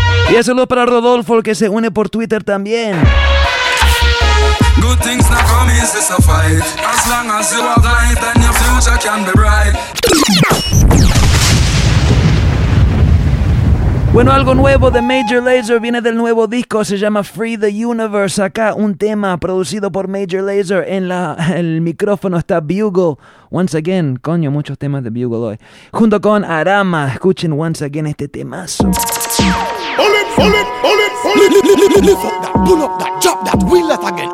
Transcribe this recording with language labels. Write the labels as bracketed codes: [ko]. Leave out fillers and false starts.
[es] Y un saludo para Rodolfo, que se une por Twitter también. [en] Good things not come easy, so fight. As long as you are right, then your future can be bright. [es] Bueno, algo nuevo de Major Lazer viene del nuevo disco, se llama Free the Universe. Acá un tema producido por Major Lazer, en el micrófono está Bugle. [en] Once again, [es] coño, muchos temas de Bugle hoy. Junto con Arama, escuchen once again este temazo. [en] Pull up that, drop that, wheel that again.